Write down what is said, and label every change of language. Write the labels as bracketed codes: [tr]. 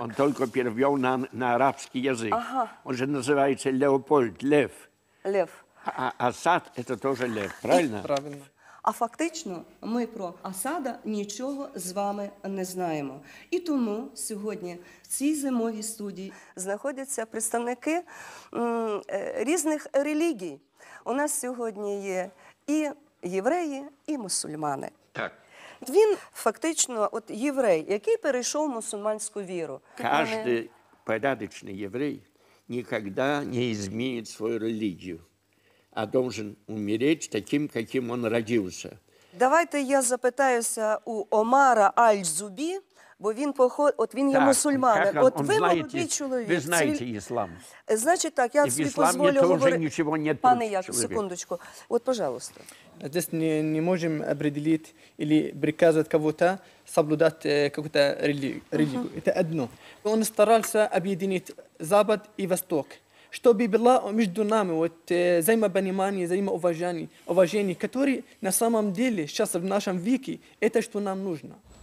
[ru] Он только перевел на арабский язык. Ага. Он же называется Леопольд, лев. Лев. Асад – это тоже лев, правильно? Правильно. [uk] А фактично ми про Асада нічого з вами не знаємо. І тому сьогодні в цій зимовій студії знаходяться представники різних релігій. У нас сьогодні є і євреї, і мусульмани. Так. Він фактично от єврей, який перейшов в мусульманську віру. Кожен порядочний єврей ніколи не змінить свою релігію, [ru] а должен умереть таким, каким он родился. [uk] Давайте я запитаюся у Омара Аль-Зубі, бо він походить, от він є мусульманин. От ви молодий чоловік. Ви знаєте іслам. Значить так, я собі позволю говорити. Пане Як, секундочку. От, пожалуйста. [ru] Здесь не можем определить или приказывать кого-то соблюдать какую-то религию. Это одно. Он старался объединить Запад и Восток, чтобы было между нами вот взаимопонимание, взаимоуважение, которое на самом деле сейчас в нашем веке это что нам нужно.